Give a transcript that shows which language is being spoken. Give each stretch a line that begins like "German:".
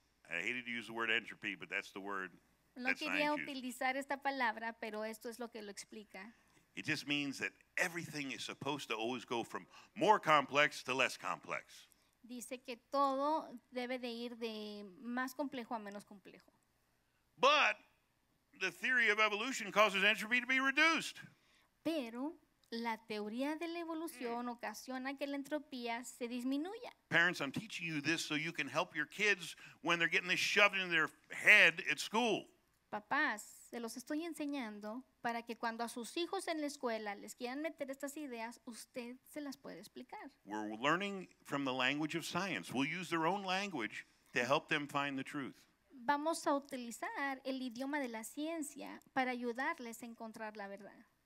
English: I hated to use the word entropy, but that's the word.
Spanish: No quería utilizar esta palabra, pero esto es lo que lo explica.
English: It just means that everything is supposed to always go from more complex to less complex.
Spanish: Dice que todo debe de ir de más complejo a menos complejo.
English: But the theory of evolution causes entropy to be reduced.
Spanish: Pero la teoría de la evolución ocasiona que la entropía se disminuya.
English: Parents, I'm teaching you this so you can help your kids when they're getting this shoved in their head at school.
Spanish: Papás, se los estoy enseñando para que cuando a sus hijos en la escuela les quieran meter estas ideas, usted se las puede explicar.
English: We're learning from the language of science. We'll use their own language to help them find the truth.
Spanish: Vamos a utilizar el idioma de la ciencia para ayudarles a encontrar la verdad.